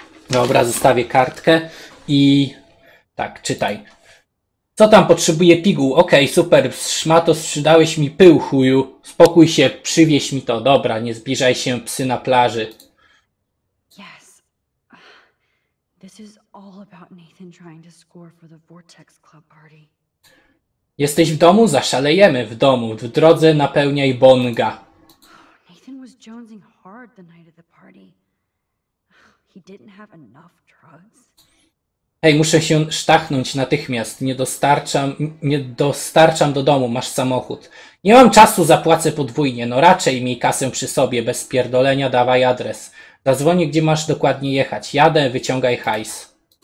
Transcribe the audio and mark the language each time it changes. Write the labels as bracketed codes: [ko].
[pl] Dobra, zostawię kartkę i tak, czytaj. Co tam potrzebuje piguł? Okej, super, szmato, sprzedałeś mi pył, chuju. Spokój się, przywieź mi to. Dobra, nie zbliżaj się, psy na plaży. [en] Yes. This is all about Nathan trying to score for the Vortex Club party. [pl] Jesteś w domu? Zaszalejemy w domu. W drodze napełniaj bonga. [en] Nathan was jonesing hard the night of the party. He didn't have enough drugs. [pl] Hej, muszę się sztachnąć natychmiast. Nie dostarczam do domu. Masz samochód. Nie mam czasu, zapłacę podwójnie. No raczej miej kasę przy sobie, bez pierdolenia, dawaj adres. Zadzwonię, gdzie masz dokładnie jechać. Jadę, wyciągaj hajs.